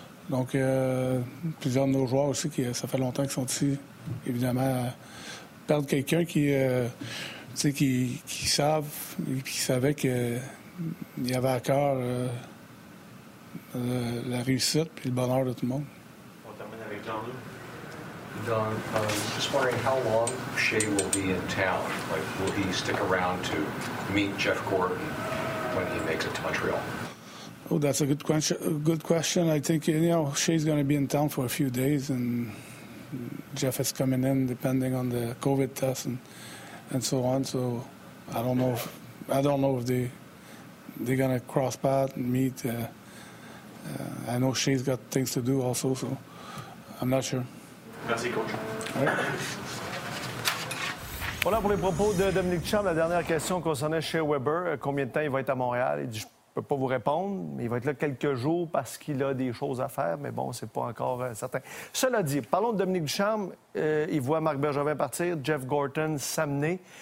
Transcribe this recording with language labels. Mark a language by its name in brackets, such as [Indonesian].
[French] Donc, plusieurs de nos joueurs aussi, qui ça fait longtemps qu'ils sont ici, évidemment, perdre quelqu'un qui savent et qui savait qu'il y avait à cœur la réussite et le bonheur de tout le monde. On termine avec Jean-Luc. [English] Don, just wondering how long Shea will be in town. Like, will he stick around to meet Jeff Gordon when he makes it to Montreal? Oh, that's a good question. I think, you know, Shea's going to be in town for a few days, and Jeff is coming in depending on the COVID test and so on. So I don't know if they're going to cross paths and meet. I know Shea's got things to do also, so I'm not sure. Merci, coach. All right. [French] Voilà pour les propos de Dominique Ducharme. La dernière question concernait Shea Weber. Combien de temps il va être à Montréal? Il dit, je ne peux pas vous répondre, mais il va être là quelques jours parce qu'il a des choses à faire, mais bon, c'est pas encore certain. Cela dit, parlons de Dominique Ducharme. Il voit Marc Bergevin partir, Jeff Gorton s'amener.